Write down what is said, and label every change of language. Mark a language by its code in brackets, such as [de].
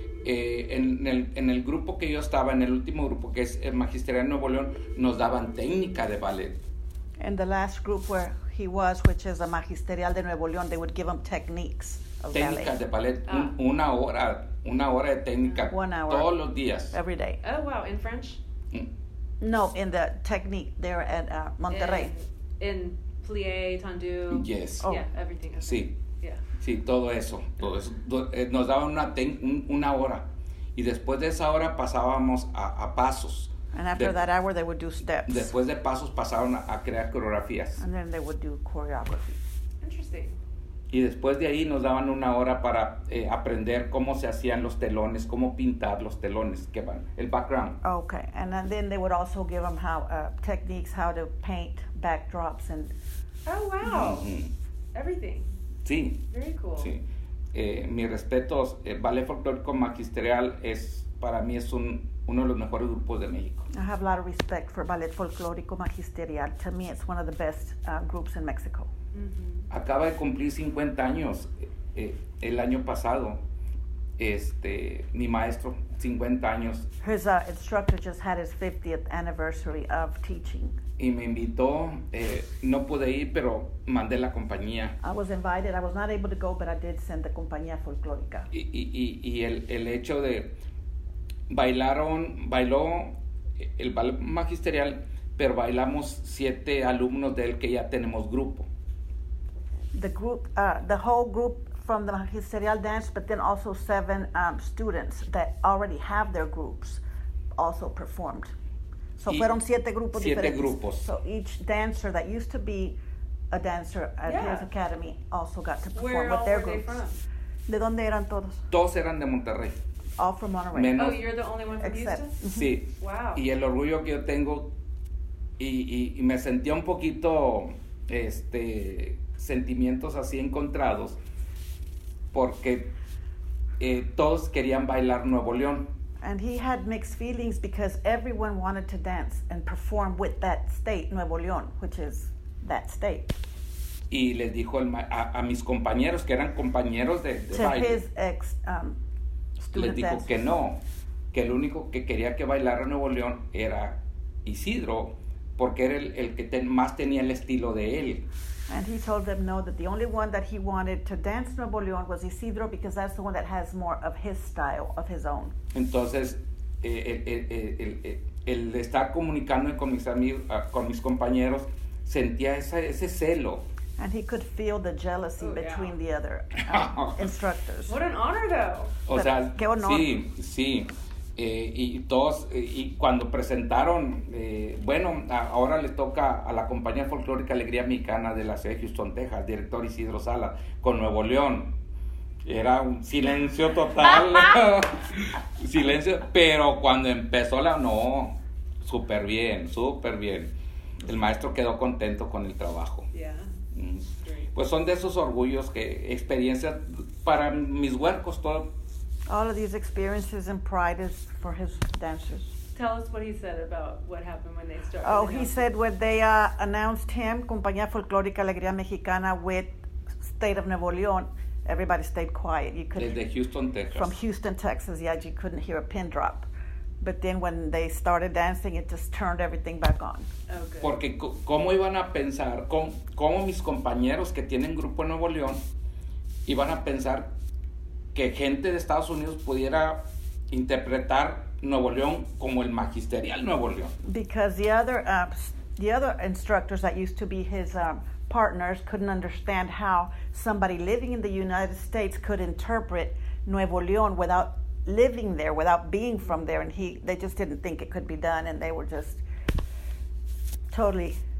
[es] En el grupo que yo estaba, en el último grupo, que es el Magisterial Nuevo León, nos daban técnica de ballet. [en] In the last group where he was, which is a Magisterial de Nuevo León, they would give him techniques of ballet. [es] Técnicas de ballet. Oh. Una hora de técnica. [en] One hour. [es] Todos los días. [en] Every day. Oh, wow. In French? No, in the technique there at Monterrey. In plié, tendu. Yes. Oh. Yeah, everything. Okay. [es] Sí. Sí, todo eso. Nos daban una hora. Y después de esa hora pasábamos a pasos. [en] And after that hour they would do steps. [es] Después de pasos pasaron a crear coreografías. [en] And then they would do choreography. Interesting. [es] Y después de ahí nos daban una hora para aprender cómo se hacían los telones, cómo pintar los telones, que van, el background. [en] Okay, and then they would also give them techniques, how to paint backdrops and... Oh, wow. Mm-hmm. Everything. [es] Sí. [en] Very cool. [es] Sí. Mis respetos, Ballet Folklórico Magisterial es, para mí, es uno de los mejores grupos de México. [en] I have a lot of respect for Ballet Folklórico Magisterial. To me, it's one of the best groups in Mexico. Mm-hmm. [es] Acaba de cumplir 50 años el año pasado. Este, mi maestro, 50 años. [en] His instructor just had his 50th anniversary of teaching. [es] Y me invitó, no pude ir, pero mandé la compañía. [en] I was invited, I was not able to go, but I did send the compañía folclórica. [es] Y el hecho de bailó el ballet magisterial, pero bailamos 7 alumnos de él que ya tenemos grupo. [en] The whole group from the magisterial dance, but then also 7 students that already have their groups also performed. [es] So, fueron 7 grupos siete diferentes. Grupos. [en] So, each dancer that used to be a dancer at his academy also got to perform with their groups. From? [es] ¿De dónde eran todos? Todos eran de Monterrey. [en] All from Monterrey. [es] Menos, [en] you're the only one from except, Houston? [es] Sí. [en] Wow. [es] Y el orgullo que yo tengo, y me sentí un poquito, sentimientos así encontrados, porque todos querían bailar Nuevo León. [en] And he had mixed feelings because everyone wanted to dance and perform with that state, Nuevo León, which is that state. [es] Y les dijo a mis compañeros, que eran compañeros de [en] to [es] baile. [en] To his ex-student [es] les dijo [en] dancers. [es] Que no, que el único que quería que bailara Nuevo León era Isidro, porque era el que más tenía el estilo de él. [en] And he told them no, that the only one that he wanted to dance Nuevo León was Isidro, because that's the one that has more of his style, of his own. [es] Entonces, el estar comunicándome con mis amigos, con mis compañeros, sentía ese celo. [en] And he could feel the jealousy between the other instructors. What an honor, though. [es] O sea, qué honor. Sí, sí. Y todos, y cuando presentaron, ahora le toca a la Compañía Folclórica Alegría Mexicana de la ciudad de Houston, Texas, director Isidro Salas, con Nuevo León. Era un silencio total, silencio, pero cuando empezó súper bien, súper bien. El maestro quedó contento con el trabajo. [en] Yeah. [es] Pues son de esos orgullos que experiencias para mis huercos, todo. [en] All of these experiences and pride is for his dancers. Tell us what he said about what happened when they started. Oh, he said when they announced him, Compañía Folclórica Alegría Mexicana with State of Nuevo León, everybody stayed quiet. You could, [es] desde Houston, Texas. [en] From Houston, Texas, yeah, you couldn't hear a pin drop. But then when they started dancing, it just turned everything back on. Oh, good. [es] Porque cómo iban a pensar, cómo mis compañeros que tienen grupo en Nuevo León iban a pensar que gente de Estados Unidos pudiera interpretar Nuevo León como el magisterial Nuevo León. [en] Because the other instructors that used to be his partners couldn't understand how somebody living in the United States could interpret Nuevo León without living there, without being from there, and they just didn't think it could be done, and they were just totally.